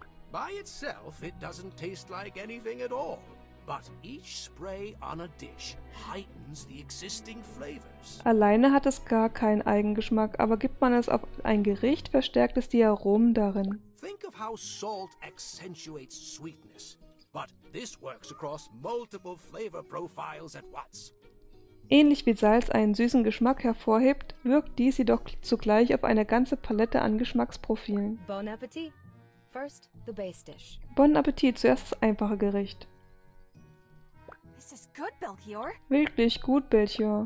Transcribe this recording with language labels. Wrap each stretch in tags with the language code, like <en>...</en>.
<en>By itself, it doesn't taste like anything at all. But each spray on a dish heightens the existing flavors.</en> <de>Alleine hat es gar keinen Eigengeschmack, aber gibt man es auf ein Gericht, verstärkt es die Aromen darin.</de> <en>Think of how salt accentuates sweetness. But this works across multiple flavor profiles at once.</en> <de>Ähnlich wie Salz einen süßen Geschmack hervorhebt, wirkt dies jedoch zugleich auf eine ganze Palette an Geschmacksprofilen.</de> <en>Bon Appetit. First the base dish.</en> <de>Bon Appetit, zuerst das einfache Gericht.</de> <en>This is good, Belchior.</en> <de>Wirklich gut, Belchior.</de>